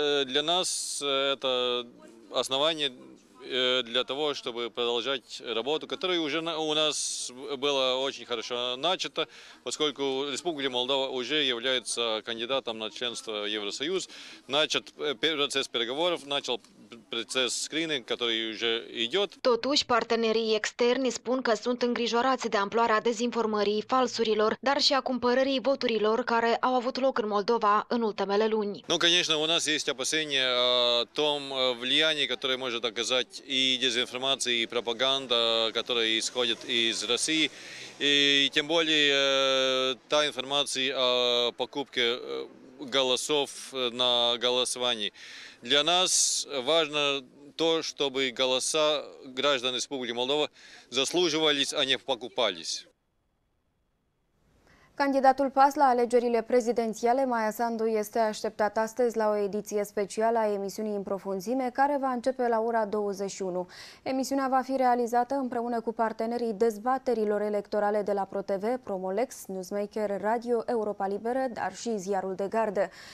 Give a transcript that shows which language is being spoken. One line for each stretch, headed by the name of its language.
Russian: Для нас это основание для того, чтобы продолжать работу, которая уже у нас была очень хорошо начата, поскольку Республика Молдова уже является кандидатом на членство в Евросоюз, начат процесс переговоров, начал процесс скрининга, который уже идет.
Romanian: Totuși, partenerii externi spun că sunt îngrijorați de amploarea dezinformării, falsurilor, dar și a cumpărării voturilor care au avut loc în Moldova în ultimele luni.
Russian: Ну, конечно, у нас есть опасения о том влиянии, которое может оказать и дезинформация, и пропаганда, которая исходит из России, и тем более та информация о покупке голосов на голосовании. Для нас важно то, чтобы голоса граждан Республики Молдова заслуживались, а не покупались.
Romanian: Candidatul PAS la alegerile prezidențiale, Maia Sandu, este așteptat astăzi la o ediție specială a emisiunii În Profunzime, care va începe la ora 21. Emisiunea va fi realizată împreună cu partenerii dezbaterilor electorale de la ProTV, Promolex, Newsmaker, Radio Europa Liberă, dar și Ziarul de Gardă.